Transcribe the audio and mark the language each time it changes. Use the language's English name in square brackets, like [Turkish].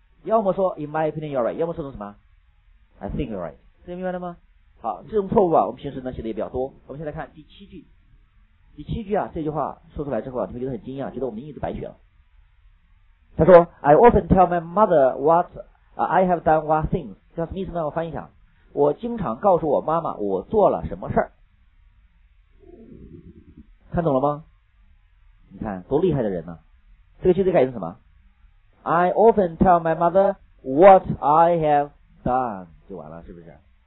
[Chinese] 要么说 [English] In my opinion you are right， [Chinese] 要么说成什么 ？ [English] I think you are right。 [Chinese] 这明白了吗？好，这种错误啊，我们平时呢写的也比较多。我们现在看第七句。第七句啊，这句话说出来之后啊，你会觉得很惊讶，觉得我们英语都白学了。他说 [English] ，I often tell my mother what I have done what things. [Chinese] 叫什么意思呢？我翻译一下，我经常告诉我妈妈我做了什么事儿，看懂了吗？你看多厉害的人呢、啊！这个句子改成什么 ？ [English] I often tell my mother what I have done， [Chinese] 就完了，是不是？